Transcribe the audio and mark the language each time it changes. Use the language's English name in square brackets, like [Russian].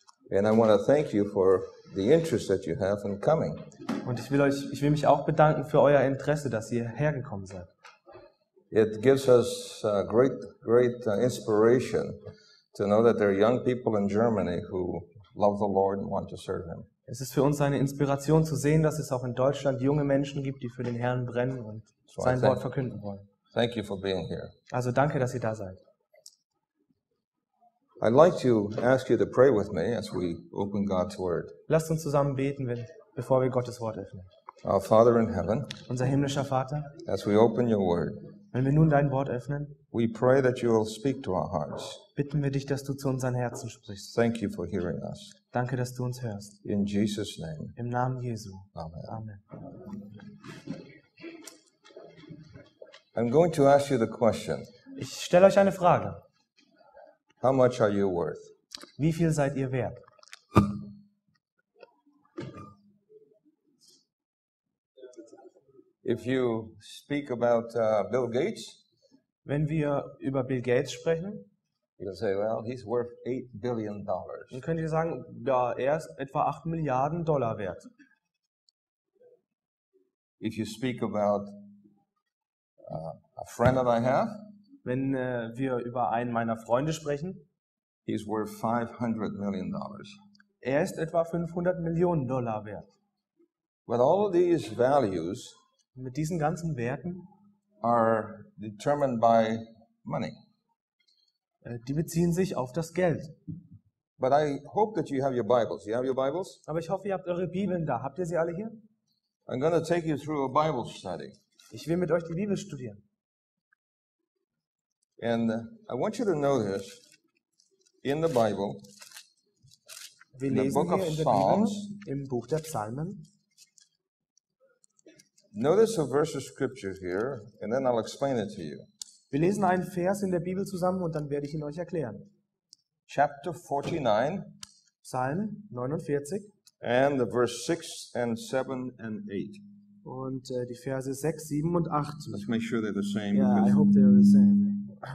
[English] And I want to thank you for the interest that you have in coming. [German] Und ich will mich auch bedanken für euer Interesse, dass ihr hergekommen seid. [English] It gives us great inspiration to know that there are young people in Germany who love the Lord and want to serve him. [German] Es ist für uns eine Inspiration zu sehen, dass es auch in Deutschland junge Menschen gibt, die für den Herrn brennen und sein Wort verkünden wollen. [English] Thank you for being here. [German] Also danke, dass ihr da seid. [English] I'd like to ask you to pray with me as we open God's word. [German] Lasst uns zusammen beten, bevor wir Gottes Wort öffnen. [English] Our Father in heaven. [German] Unser himmlischer Vater. [English] As we open your word. [German] Wenn wir nun dein Wort öffnen. [English] We pray that you will speak to our hearts. [German] Bitten wir dich, dass du zu unseren Herzen sprichst. [English] Thank you for hearing us. [German] Danke, dass du uns hörst. [English] In Jesus' name. [German] Im Namen Jesu. [English] Amen. Amen. I'm going to ask you the question. [German] Ich stelle euch eine Frage. [English] How much are you worth? [German] Wie viel seid ihr wert? [English] If you speak about Bill Gates, [German] wenn wir über Bill Gates sprechen, [English] you'll say, well, he's worth $8 billion. [German] Dann könnt ihr sagen, ja, ist etwa 8 Milliarden Dollar wert. [English] If you speak about a friend that I have, [German] wenn wir über einen meiner Freunde sprechen, [English] he's worth $500 million. [German] Ist etwa 500 Millionen Dollar wert. [English] With all of these values, [German] mit diesen ganzen Werten [English] are determined by money. [German] Die beziehen sich auf das Geld. [English] But I hope that you have your Bibles. You have your Bibles? [German] Aber ich hoffe, ihr habt eure Bibeln da. Habt ihr sie alle hier? [English] I'm going to take you through a Bible study. [German] Ich will mit euch die Bibel studieren. [English] And I want you to notice in the Bible, [German] wir lesen [English] in the book of Psalms, [German] im Buch der Psalmen. [English] Notice a verse of scripture here, and then I'll explain it to you. [German] Wir lesen einen Vers in der Bibel zusammen und dann werde ich ihn euch erklären. [English] Chapter 49, [German] Psalm 49, [English] and the verse 6 and 7 and 8. [German] Und die Verse 6, 7 und 8. [English] Let's make sure they're the same. Yeah, I hope they're the same.